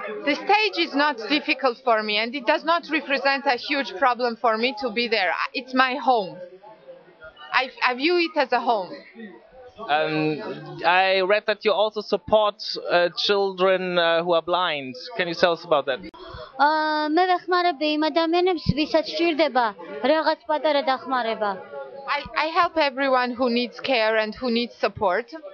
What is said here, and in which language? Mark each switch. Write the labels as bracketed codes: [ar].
[en] The stage is not difficult for me and it does not represent a huge problem for me to be there. It's my home. I view it as a home. I read that you also support children who are blind. Can you tell us about that? [ka] მე ვეხმარები იმ ადამიანებს, ვისაც სჭირდება რაღაც პატარა დახმარება. [en] I help everyone who needs care and who needs support.